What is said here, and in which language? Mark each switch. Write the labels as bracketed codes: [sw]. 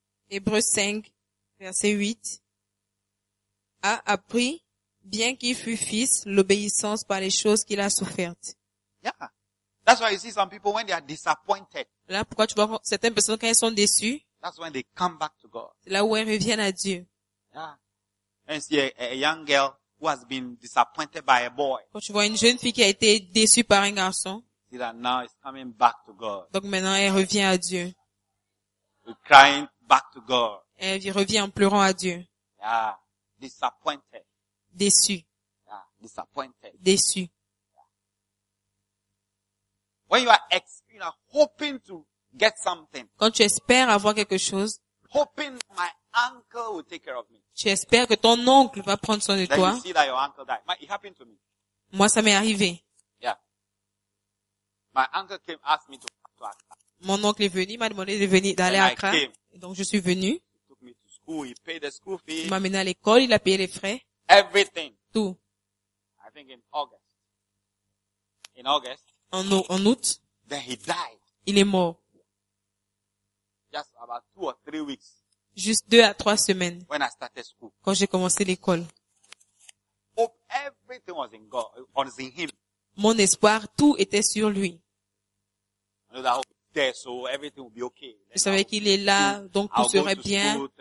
[fr] Hébreux 5, verset 8, a appris, bien qu'il fût fils, l'obéissance par les choses qu'il a souffertes. [en] Yeah. That's why you see some people when they are disappointed. [fr] Là, pourquoi tu vois certaines personnes quand elles sont déçues? [en] That's when they come back to God. [fr] C'est là où elles reviennent à Dieu. [en] Yeah. And see a young girl who has been disappointed by a boy. [fr] Quand tu vois une jeune fille qui a été déçue par un garçon. [en] See that now it's coming back to God. [fr] Donc maintenant elle revient à Dieu. [en] You're crying. Back to God. [fr] Elle y revient en pleurant à Dieu. [en] Yeah. Disappointed. [fr] Déçu. [en] Yeah. Disappointed. [fr] Déçu. [en] Yeah. When you are hoping to get something. [fr] Quand tu espères avoir quelque chose. [en] Hoping my uncle will take care of me. [fr] Tu espères que ton oncle va prendre soin de [en] then [fr] toi. [en] You see that your uncle died. It happened to me. [fr] Moi, ça m'est arrivé. [en] Yeah. My uncle came asked me to come to Accra. [fr] Mon oncle est venu, il m'a demandé de venir, d'aller [en] and [fr] à Accra. Donc, je suis venu. Il m'a amené à l'école, il a payé les frais. [en] Everything. [fr] Tout. [en] I think in August. [fr] En août. [en] Then he died. [fr] Il est mort. [en] Just about 2 or 3 weeks. [fr] Juste 2 à 3 semaines. [en] When I started school. [fr] Quand j'ai commencé l'école. [en] Hope everything was in God, was in him. [fr] Mon espoir, tout était sur lui. [en] I know that hope. There, so everything will be okay. [fr] Je savais qu'il est là, donc tout serait bien.